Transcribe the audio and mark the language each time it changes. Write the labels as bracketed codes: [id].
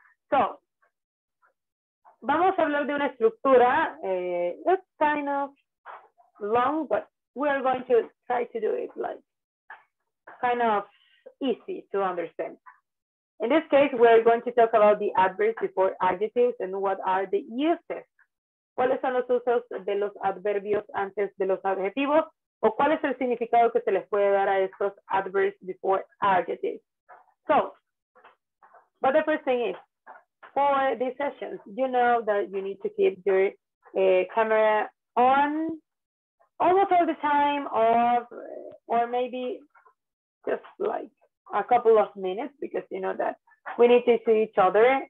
[en] So [es] vamos a hablar de una estructura. [en] It's kind of long, but we're going to try to do it like kind of easy to understand. In this case, we're going to talk about the adverbs before adjectives and what are the uses. [es] ¿Cuáles son los usos de los adverbios antes de los adjetivos? ¿O cuál es el significado que se les puede dar a estos [en] adverbs before adjectives? So, but the first thing is, for these sessions, you know that you need to keep your camera on almost all the time, or maybe just like a couple of minutes, because you know that we need to see each other.